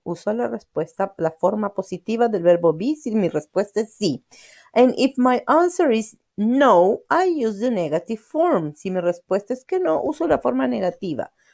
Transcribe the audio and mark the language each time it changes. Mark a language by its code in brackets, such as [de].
[es] Uso la respuesta, la forma positiva del verbo be, si mi respuesta es sí. [en] And if my answer is no, I use the negative form. [es] Si mi respuesta es que no, uso la forma negativa.